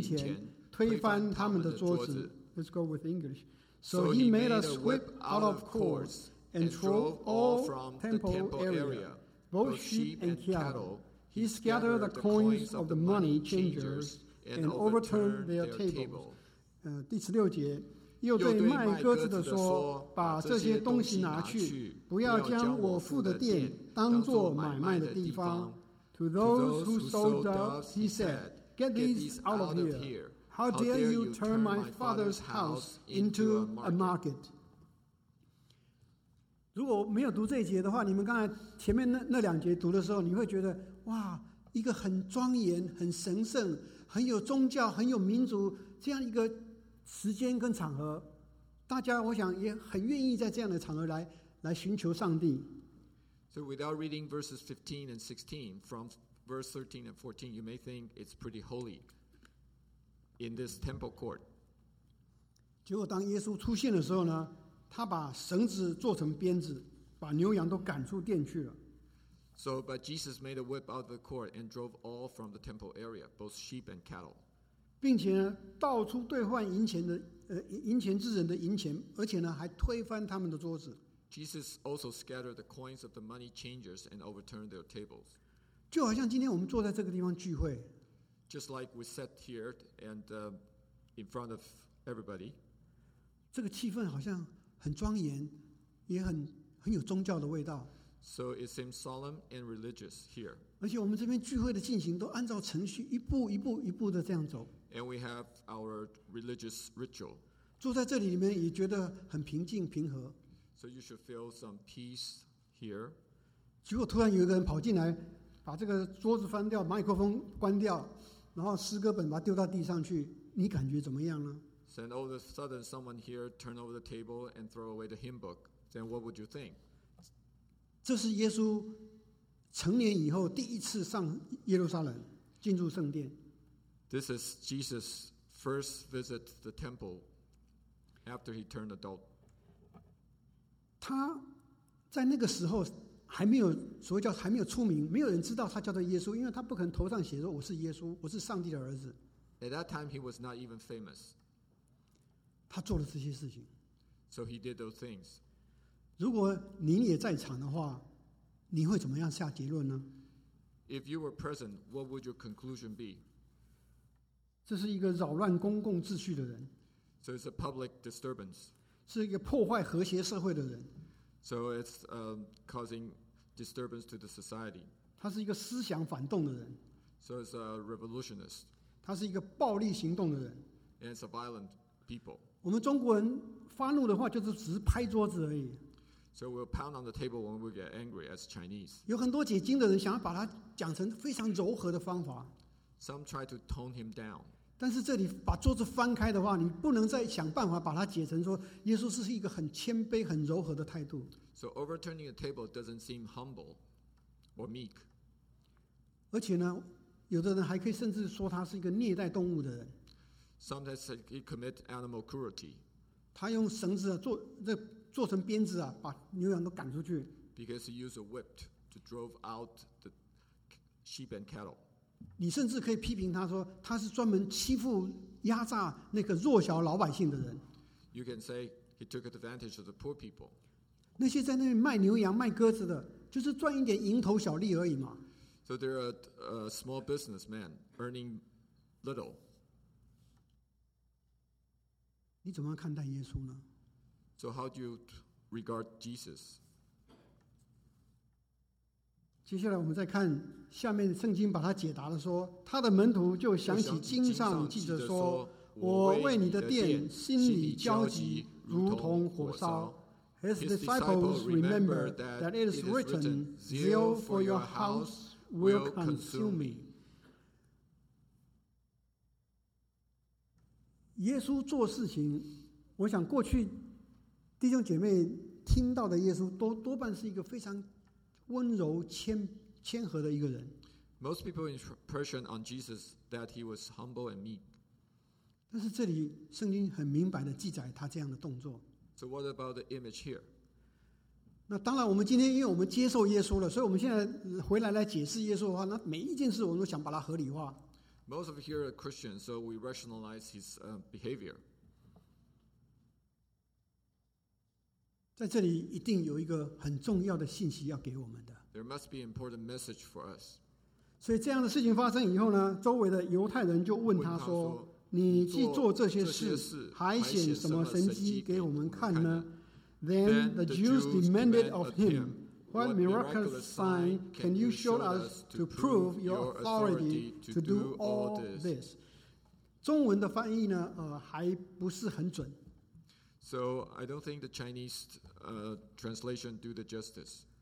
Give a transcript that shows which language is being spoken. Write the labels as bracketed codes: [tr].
[zh] 钱，推翻他们的桌 [en] 子。Let's go with English. So he made a whip out of cords and drove all from the temple area, both sheep and cattle. He scattered the coins of the money changers and overturned their tables. [zh] 第十六节，又对卖鸽子的说，把这些东西拿去，不要将我父的店当作买卖的地方。 [en] To those who sold doves, he said, get these out of here. How dare you turn my father's house into a market? [zh] 如果没有读这一节的话，你们刚才前面 那两节读的时候，你会觉得哇，一个很庄严、很神圣、很有宗教、很有民族这样一个时间跟场合，大家我想也很愿意在这样的场合 来寻求上帝。 [en] So without reading verses 15 and 16, from verse 13 and 14, you may think it's pretty holy. In this temple court. [zh] 结果当耶稣出现的时候呢，他把绳子做成鞭子，把牛羊都赶出殿去了。 [en] So, but Jesus made a whip out of the court and drove all from the temple area, both sheep and cattle. [zh] 并且呢，到处兑换银钱的银钱之人的银钱，而且呢，还推翻他们的桌子。 [en] Jesus also scattered the coins of the money changers and overturned their tables. [zh] 就好像今天我们坐在这个地方聚会。 [en] Just like we sat here and in front of everybody. [zh] 这个气氛好像很庄严，也很有宗教的味道。 [en] So it seems solemn and religious here. [zh] 而且我们这边聚会的进行都按照程序一步一步一步的这样走。 [en] And we have our religious ritual. [zh] 坐在这里里面也觉得很平静平和。 [en] So you should feel some peace here. [zh] 结果突然有一个人跑进来，把这个桌子翻掉，麦克风关掉。然后诗歌本把它丢到地上去，你感觉怎么样呢？ [en] So all of a sudden, someone here turn over the table and throw away the hymn book. Then what would you think? [zh] 这是耶稣成年以后第一次上耶路撒冷，进入圣殿。 [en] This is Jesus' first visit to the temple after he turned adult. [zh] 他在那个时候还没有所谓叫还没有出名，没有人知道他叫做耶稣，因为他不可能头上写着我是耶稣，我是上帝的儿子。 [en] At that time, he was not even famous. [zh] 他做了这些事情。 [en] So he did those things. [zh] 如果您也在场的话，你会怎么样下结论呢？ [en] If you were present, what would your conclusion be? [zh] 这是一个扰乱公共秩序的人。 [en] So it's a public disturbance. [zh] 是一个破坏和谐社会的人。 [en] So it's causing disturbance to the society. [zh] 他是一个思想反动的人。 [en] So it's a revolutionist. [zh] 他是一个暴力行动的人。 [en] And it's a violent people. [zh] 我们中国人发怒的话，就是只是拍桌子而已。 [en] So we'll pound on the table when we get angry as Chinese. [zh] 有很多解经的人想要把它讲成非常柔和的方法。 [en] Some try to tone him down. [zh] 但是这里把桌子翻开的话，你不能再想办法把它解成说耶稣是一个很谦卑、很柔和的态度。 [en] So overturning a table doesn't seem humble or meek. [zh] 而且呢，有的人还可以甚至说他是一个虐待动物的人。 [en] Sometimes he commit animal cruelty. [zh] 他用绳子做成鞭子啊，把牛羊都赶出去。 [en] Because he used a whip to drive out the sheep and cattle. [zh] 你甚至可以批评他说他是专门欺负压榨那个弱小老百姓的人。 [en] You can say he took advantage of the poor people. [zh] 那些在那边卖牛羊卖鸽子的，就是赚一点蝇头小利而已嘛。 [en] So they're a small businessman earning little. [zh] 你怎么看待耶稣呢？ [en] So how do you regard Jesus? [zh] 接下来我们再看下面圣经把它解答了，说他的门徒就想起经上记着说，我为你的殿心里焦急如同火烧。 [en] His disciples remember that it is written, zeal for your house will consume me。 [zh] 耶稣做事情，我想过去弟兄姐妹听到的耶稣都多半是一个非常温柔谦和的一个人。 [en] Most people's impression on Jesus that he was humble and meek。 [zh] 但是这里圣经很明白的记载他这样的动作。 [en] So what about the image here? [zh] 那当然我们今天因为我们接受耶稣了，所以我们现在回来来解释耶稣的话，那每一件事我们都想把它合理化。 [en] Most of here are Christians, so we rationalize his behavior。 [zh] 在这里一定有一个很重要的信息要给我们的。 [en] There must be an important message for us。 [zh] 所以这样的事情发生以后呢，周围的犹太人就问他说，你既做这些事，还显什么神迹给我们看呢？ [en] Then the Jews demanded of him, what miraculous sign can you show us to prove your authority to do all this? [zh] 中文的翻译呢，还不是很准。 [en] So I don't think the Chinese translation do the justice。